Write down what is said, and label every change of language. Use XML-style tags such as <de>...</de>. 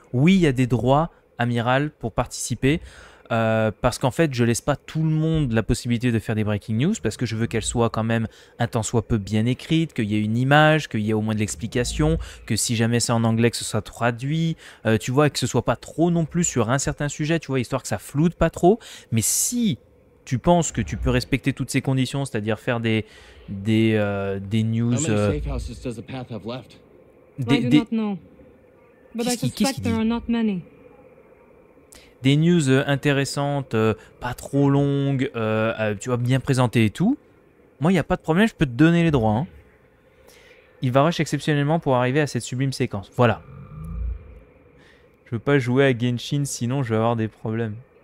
<fr>Oui, il y a des droits, Amiral, pour participer. Parce qu'en fait, je laisse pas tout le monde la possibilité de faire des breaking news, parce que je veux qu'elles soient quand même un tant soit peu bien écrites, qu'il y ait une image, qu'il y ait au moins de l'explication, que si jamais c'est en anglais, que ce soit traduit, tu vois, et que ce soit pas trop non plus sur un certain sujet, tu vois, histoire que ça floute pas trop. Mais si tu penses que tu peux respecter toutes ces conditions, c'est-à-dire faire des news,</fr> <en>How many safe houses does the path have left? I do not know, but I suspect there are not many.</en> <fr>Des news intéressantes, pas trop longues, tu vois, bien présentées et tout. Moi, il n'y a pas de problème, je peux te donner les droits. Hein. Il va rush exceptionnellement pour arriver à cette sublime séquence. Voilà. Je veux pas jouer à Genshin, sinon je vais avoir des problèmes.</fr>